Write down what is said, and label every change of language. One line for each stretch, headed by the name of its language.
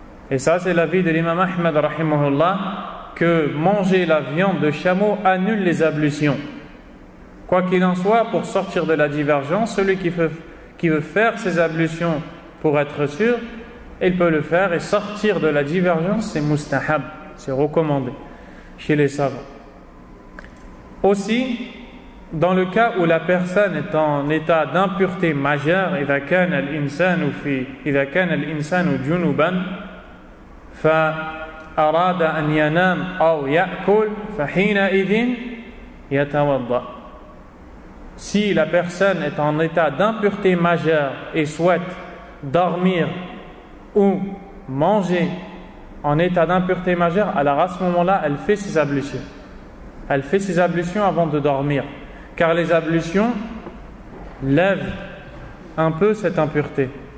French: Et ça, c'est l'avis de l'imam Ahmad rahimahullah, que manger la viande de chameau annule les ablutions. Quoi qu'il en soit, pour sortir de la divergence, celui qui veut faire ses ablutions pour être sûr, il peut le faire, et sortir de la divergence, c'est mustahab, c'est recommandé chez les savants. Aussi, dans le cas où la personne est en état d'impureté majeure,
Arabic: إِذَا كَانَ الْإِنسَانُ فِي إِذَا كَانَ الْإِنسَانُ جُنُوبًا فَأَرَادَ أَنْ يَنَامْ أَوْ يَأْكُلْ فَحِينَ إِذٍ يَتَوَضَّ.
French: Si la personne est en état d'impureté majeure et souhaite dormir ou manger en état d'impureté majeure, alors à ce moment-là, elle fait ses ablutions. Elle fait ses ablutions avant de dormir. Car les ablutions lèvent un peu cette impureté.